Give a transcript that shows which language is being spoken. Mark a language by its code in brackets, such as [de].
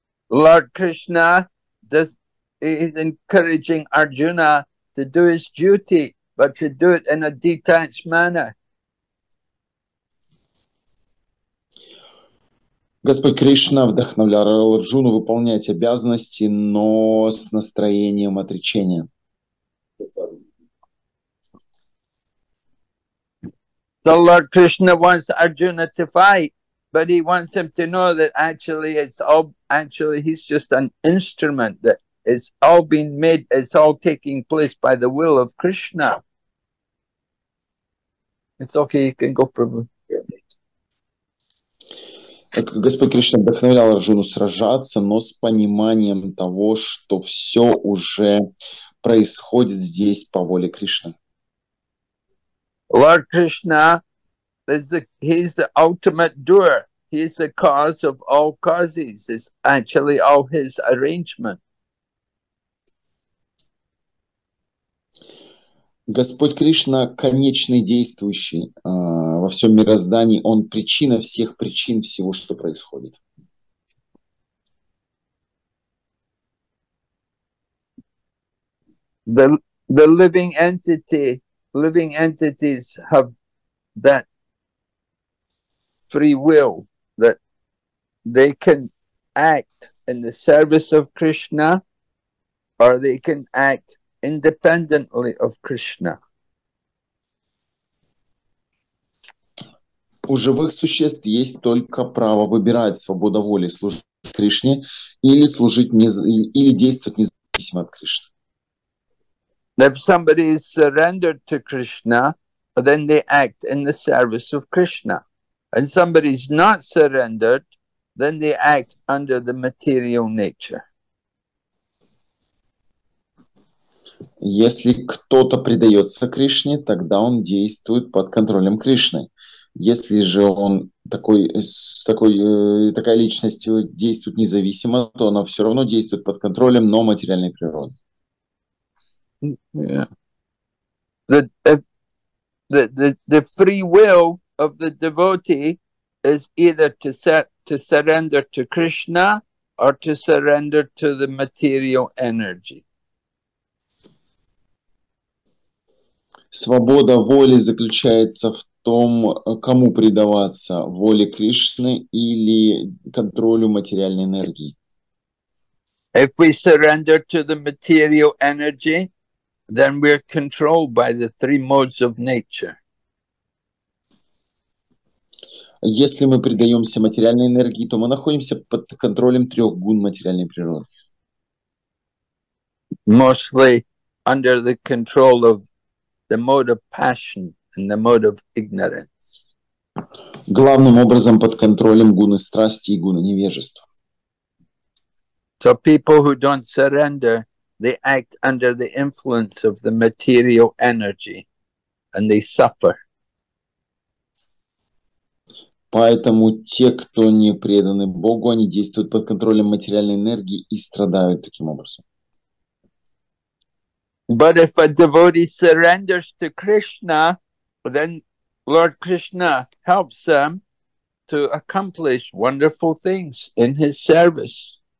[en] Lord Krishna is encouraging Arjuna to do his duty, but to do it in a detached manner. [ru] Господь Кришна вдохновлял Арджуну выполнять обязанности, но с настроением отречения. [en] The Lord Krishna wants Arjuna to fight, but he wants him to know that actually it's all, actually he's just an instrument, that it's all been made, it's all taking place by the will of Krishna. It's okay, you can go, Prabhu. [ru] Так Господь Кришна вдохновлял Арджуну сражаться, но с пониманием того, что все уже происходит здесь по воле Кришны. [en] Lord Krishna is the, he's the ultimate doer. He's the cause of all causes. It's actually all his arrangement. [ru] Господь Кришна – конечный действующий во всем мироздании. Он – причина всех причин всего, что происходит. [en] The living entity... Living entities have that free will, that they can act in the service of Krishna, or they can act independently of Krishna. [ru] У живых существ есть только право выбирать свободу воли служить Кришне или служить не или действовать независимо от Кришны. [en] If somebody is surrendered to Krishna, then they act in the service of Krishna. And somebody is not surrendered, then they act under the material nature. [ru] Если кто-то предается Кришне, тогда он действует под контролем Кришны. Если же он такая личность действует независимо, то она все равно действует под контролем, но материальной природы. [en] The free will of the devotee is either to surrender to Krishna or to surrender to the material energy. [ru] Свобода воли заключается в том, кому предаваться, воле Кришны или контролю материальной энергии. [en] If we surrender to the material energy, then we are controlled by the three modes of nature. [ru] Если мы предаемся материальной энергии, то мы находимся под контролем трех гун материальной природы. [en] Mostly under the control of the mode of passion and the mode of ignorance. [ru] Главным образом под контролем гуны страсти и гуны невежества. [en] So people who don't surrender, they act under the influence of the material energy, and they suffer. [ru] Поэтому те, кто не преданы Богу, они действуют под контролем материальной энергии и страдают таким образом. [en] But if a devotee surrenders to Krishna, then Lord Krishna helps them to accomplish wonderful things in his service.